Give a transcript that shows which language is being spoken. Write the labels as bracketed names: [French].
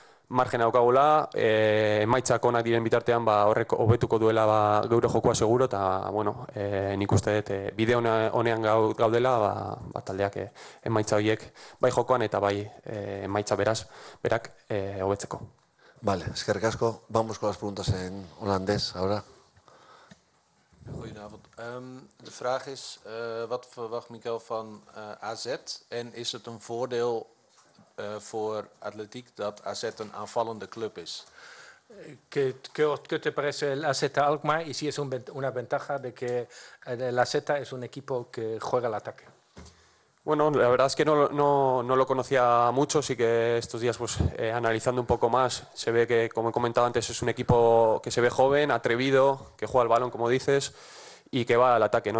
[Basque] margen daukagula, emaitzak onak diren bitartean ba horrek hobetuko duela ba geure jokoa seguro eta bueno, nik uste dut bide honean gaudela ba taldeak emaitza horiek bai jokoan eta bai emaitza beraz berak hobetzeko. Vale, eskerrik asko. [Spanish] Vamos con las preguntas en holandés ahora. [Dutch] Goedenavond. De vraag is, wat verwacht Mikel van AZ? En is het een voordeel voor Atletiek dat AZ een aanvallende club is? [Spanish] ¿Qué te parece el AZ Alkmaar? Y si es una ventaja de que el AZ es un equipo que juega al ataque. Bueno, la verdad es que no lo conocía mucho, sí que estos días pues analizando un poco más, se ve que, como he comentado antes, es un equipo que se ve joven, atrevido, que juega al balón, como dices, y que va al ataque, ¿no?